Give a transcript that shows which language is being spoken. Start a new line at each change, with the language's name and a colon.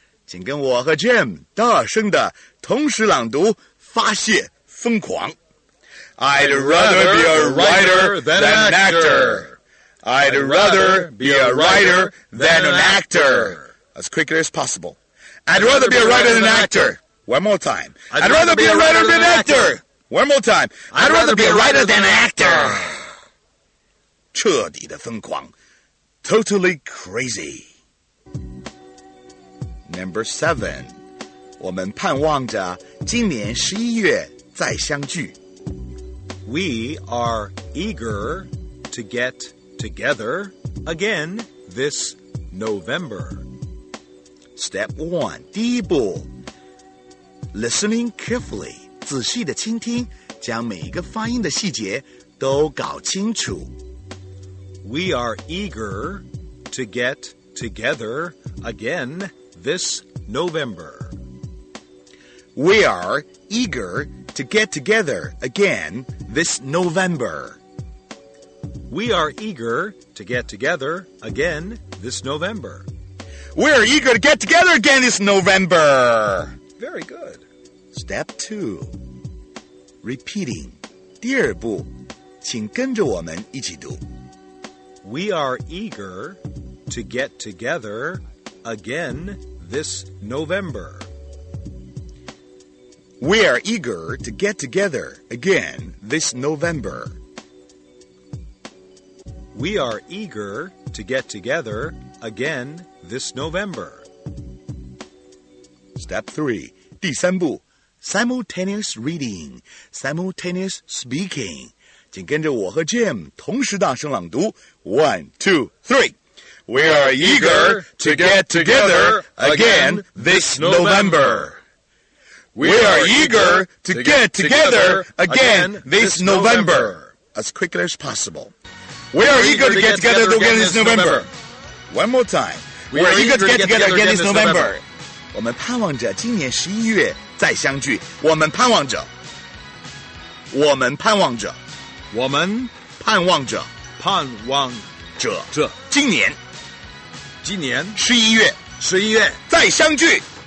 Chinese: 请跟我和 Jim 大声地同时朗读发泄疯狂。
English: I'd rather be a writer than an actor. I'd rather be a writer than an actor. As quickly as possible. I'd rather be a writer than an actor. One more time. I'd rather be a writer than an actor. One more time. I'd rather be a writer than an actor.
Chinese: 彻底的疯狂。
English: Totally crazy. Number 7.
Chinese: 我们盼望着今年11月再相聚。
English: We are eager to get together again this November.
Chinese: Step 1, 第一步
English: Listening carefully,
Chinese: 仔细的倾听，将每一个发音的细节都搞清楚。
English: We are eager to get together again this November. We are eager to get together again this November. We are eager to get together again this November. We're eager to get together again this November. Very good. Step 2. Repeating.
Chinese: 第二步，请跟着我们一起读。
English: We are eager to get together again this November. We are eager to get together again this November. We are eager to get together again this November. Step 3.
Chinese: 第三步
English: Simultaneous reading. Simultaneous speaking.
Chinese: 请跟着我和 Jim 同时大声朗读 1, 2, 3.
English: We are eager to get together again this November. We are eager to get together again this November. As quickly as possible. We are eager to get together again this November. One more time. We are eager to get together again this November.
Chinese: 我们盼望着今年十一月再相聚。我们盼望着。我们盼望着。我们盼望着。盼望着。今年。今年。十一月。十一月。再相聚。